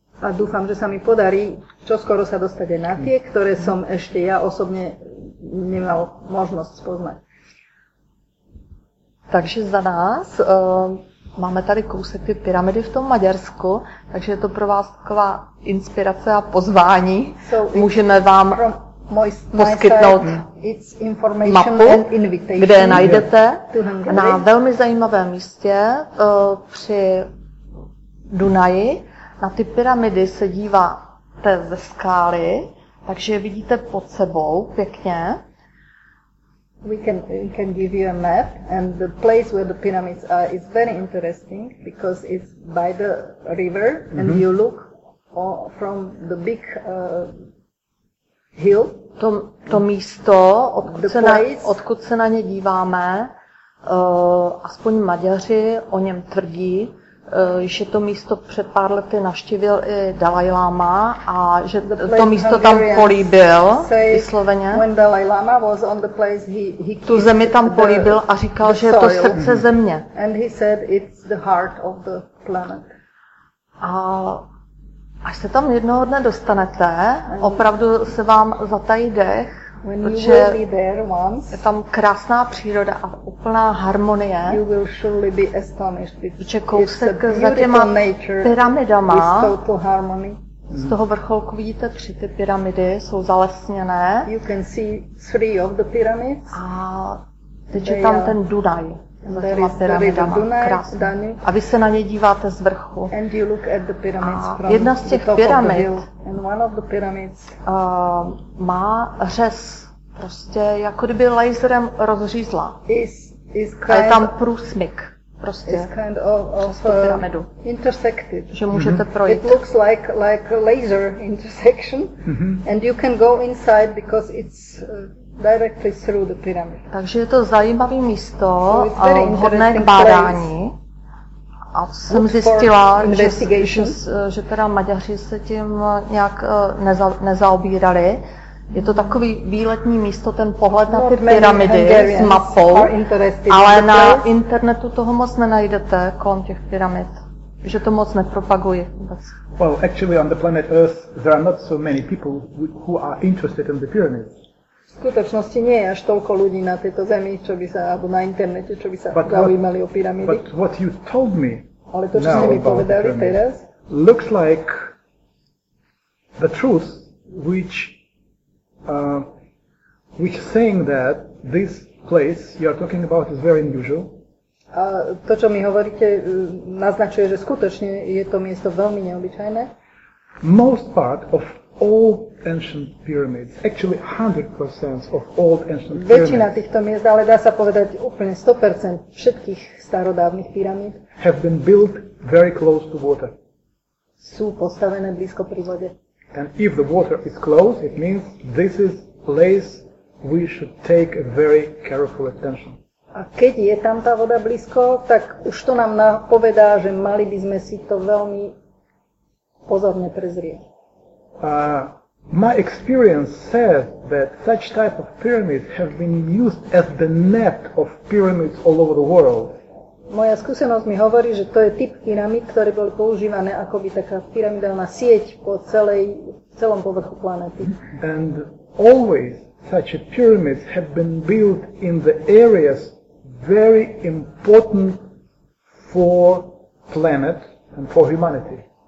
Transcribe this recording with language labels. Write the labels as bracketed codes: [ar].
[sk] A dúfam, že sa mi podarí čoskoro sa dostať aj na tie, ktoré som ešte ja osobne nemal možnosť spoznať. [cs] Takže za nás máme tady kousek ty pyramidy v tom Maďarsku, takže je to pro vás taková inspirace a pozvání. [en] So [cs] můžeme vám poskytnout mapu, kde najdete na velmi zajímavém místě při Dunaji. Na ty pyramidy se díváte ze skály, takže je vidíte pod sebou pěkně. [en] We can give you a map, and the place where the pyramids are is very interesting because it's by the river, and you look from the big hill. [cs] To místo, odkud se na ně díváme, aspoň Maďaři o něm tvrdí, že to místo před pár lety navštívil i Dalaj Lama a že to místo tam políbil vysloveně. [en] When Dalaj Lama was on the place, he [cs] tu zemi tam políbil a říkal, že je to srdce země. [en] And he said it's the heart of the planet. [cs] A až se tam jednoho dne dostanete, opravdu se vám zatají dech, [en] when [cs] protože [en] you will be there once, [cs] je tam krásná příroda a úplná harmonie. [en] You will surely be astonished. [cs] Protože kousek za těma pyramidama, z toho vrcholku vidíte tři ty pyramidy, jsou zalesněné. [en] You can see three of the pyramids. [cs] A teď je tam ten Dunaj za těma pyramidama, krásný. A vy se na ně díváte z vrchu. [en] And you look at the pyramids [cs] a jedna z těch pyramid, [en] and one of the pyramids [cs] má řez, prostě jako kdyby laserem rozřízla. [en] Is [cs] a je tam průsmyk, prostě [en] kind of [cs] přes tu pyramidu. [en] Intersected. [cs] Že můžete projít. [en] It looks like laser intersection, and you can go inside because it's directly through the pyramid. [cs] Takže je to zajímavé místo, so vhodné k bádání. [en] Place. [cs] A jsem zjistila, že teda Maďaři se tím nějak nezaobírali. Je to takový výletní místo, ten pohled na ty pyramidy s mapou, ale na internetu toho moc nenajdete kolem těch pyramid, že to moc nepropaguje vůbec. [en] Well, actually on the planet Earth there are not so many people who are interested in the pyramids. [sk] V skutočnosti nie je až toľko ľudí na tejto zemi, čo by sa, alebo na internete, čo by sa zaujímali o pyramídy. [en] But what you told me. [sk] Ale to, čo ste mi povedali teraz, [en] looks like the truth which saying that this place you are talking about is very unusual. [sk] A to, čo mi hovoríte, naznačuje, že skutočne je to miesto veľmi neobyčajné. [en] Most part of all ancient pyramids, actually 100% of all ancient pyramids. [sk] Väčšina týchto miest, ale dá sa povedať úplne 100% všetkých starodávnych pyramíd, [en] have been built very close to water. [sk] Sú postavené blízko pri vode. [en] And if the water is close, it means this is place we should take a very careful attention. [sk] A keď je tam tá voda blízko, tak už to nám napovedá, že mali by sme si to veľmi pozorne prezrieť. [en] My experience says that such type of pyramids have been used as the net of pyramids all over the world. [sk] Moja skúsenosť mi hovorí, že to je typ pyramid, ktoré boli používané ako by taká pyramidálna sieť po celom povrchu planéty. [en] And always such a pyramids have been built in the areas very important for planet and for humanity.